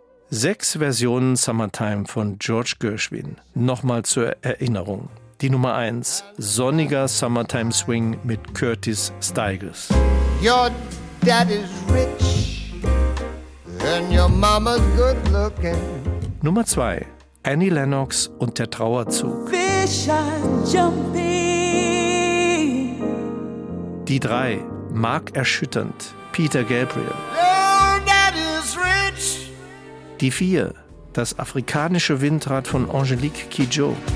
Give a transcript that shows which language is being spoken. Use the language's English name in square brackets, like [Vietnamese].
[German] 6 Versionen Summertime von George Gershwin. Nochmal zur Erinnerung. Die Nummer 1, sonniger Summertime Swing mit Curtis Stigers. [English] Your daddy's rich and your mama's good looking. [German] Nummer 2, Annie Lennox und der Trauerzug. [English] Fish are jumping. [German] Die 3, markerschütternd, Peter Gabriel. [English] Your daddy's rich. [German] Die 4, das afrikanische Windrad von Angélique Kidjo.